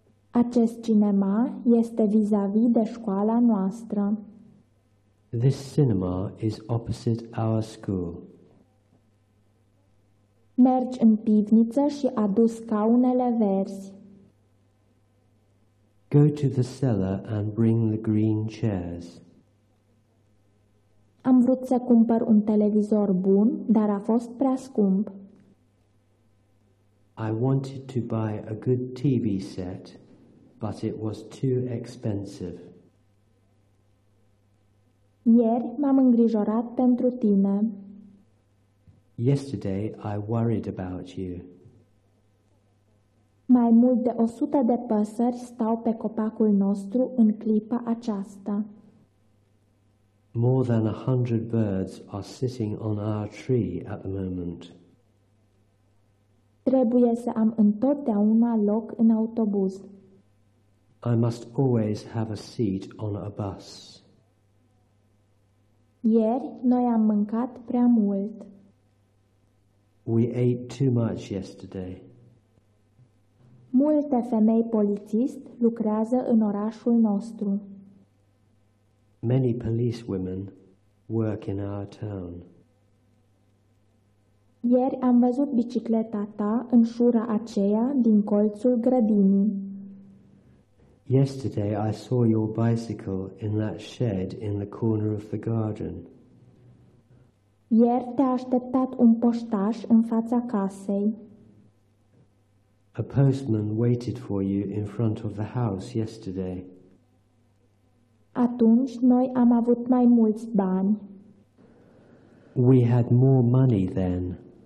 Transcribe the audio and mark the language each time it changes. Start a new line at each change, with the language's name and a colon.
Romanian: Acest cinema este vis-a-vis de școala noastră.
English: This cinema is opposite our school.
Romanian: Mergi în pivniță și adu scaunele verzi.
English: Go to the cellar and bring the green chairs.
Romanian: Am vrut să cumpăr un televizor bun, dar a fost prea scump.
English: I wanted to buy a good TV set, but it was too expensive.
Romanian: Ieri m-am îngrijorat pentru tine.
English: Yesterday I worried about you.
Romanian: Mai mult de 100 de păsări stau pe copacul nostru în clipa aceasta.
English: More than 100 birds are sitting on our tree at the moment.
Romanian: Trebuie să am întotdeauna loc în autobuz.
English: I must always have a seat on a bus.
Romanian: Ieri noi am mâncat prea mult.
English: We ate too much yesterday.
Romanian: Multe femei polițist lucrează în orașul nostru.
English: Many police women work in our town.
Romanian: Ieri am văzut bicicleta ta în șura aceea din colțul grădinii.
English: Yesterday I saw your bicycle in that shed in the corner of the garden.
Romanian: Ieri te-a așteptat un poștaș în fața casei.
English: A postman waited for you in front of the house yesterday.
Romanian: Atunci noi am avut mai mulți bani.
English: We had more money then.